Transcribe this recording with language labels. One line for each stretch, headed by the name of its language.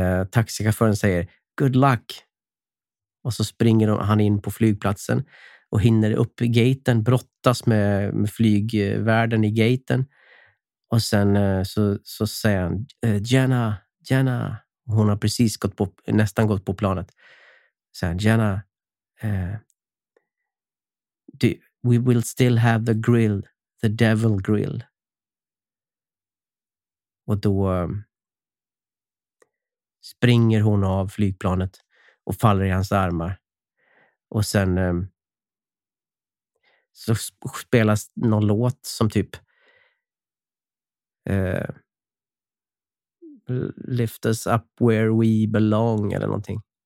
Swedish: Taxichauffören säger
English: good luck.
Swedish: Och så springer han in på flygplatsen och hinner upp i gaten, brottas med flygvärden i gaten. Och sen så säger han Jenna. Hon har precis nästan gått på planet. Sen
English: Jenna, we will still have the grill, the devil grill.
Swedish: Och då springer hon av flygplanet och faller i hans armar. Och sen så spelas någon låt som typ
English: lift us up where we belong
Swedish: eller någonting.